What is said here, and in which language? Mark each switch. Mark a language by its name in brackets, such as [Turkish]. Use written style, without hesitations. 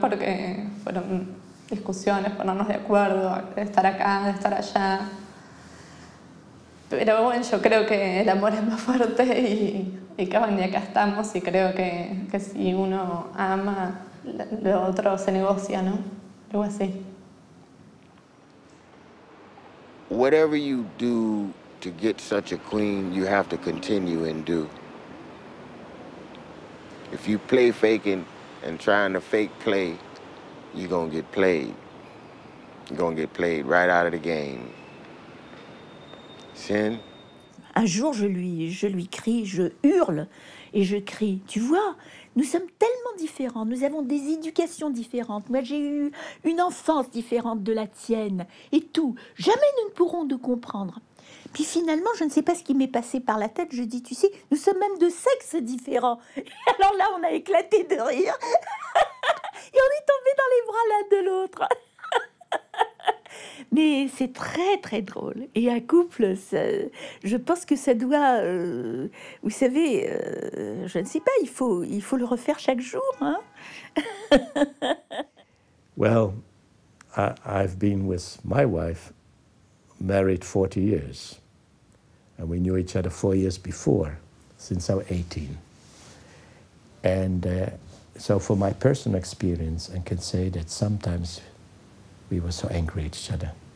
[Spanish] Porque fueron discusiones, ponernos de acuerdo, de estar acá, de estar allá. Pero bueno, yo creo que el amor es más fuerte y que hoy día acá estamos y creo que si uno ama, lo otro se negocia, ¿no? Algo así. [English] Whatever you do to get such a queen, you have to continue and do. If you play faking and trying to fake play, you're going to get played. You're going to get played right out of the game. Sin? [French] Un jour, je lui crie, je hurle et je crie. Tu vois, nous sommes tellement différents. Nous avons des éducations différentes. Moi, j'ai eu une enfance différente de la tienne et tout. Jamais nous ne pourrons nous comprendre. Puis finalement, je ne sais pas ce qui m'est passé par la tête, je dis, tu sais, nous sommes même de sexes différents. Et alors là, on a éclaté de rire. Et on est tombés dans les bras l'un de l'autre. Mais c'est très, très drôle. Et un couple, ça, je pense que ça doit... vous savez, je ne sais pas, il faut le refaire chaque jour. Hein. [English] Well, I've been with my wife, married 40 years. And we knew each other 4 years before, since I was 18. And so for my personal experience, I can say that sometimes we were so angry at each other.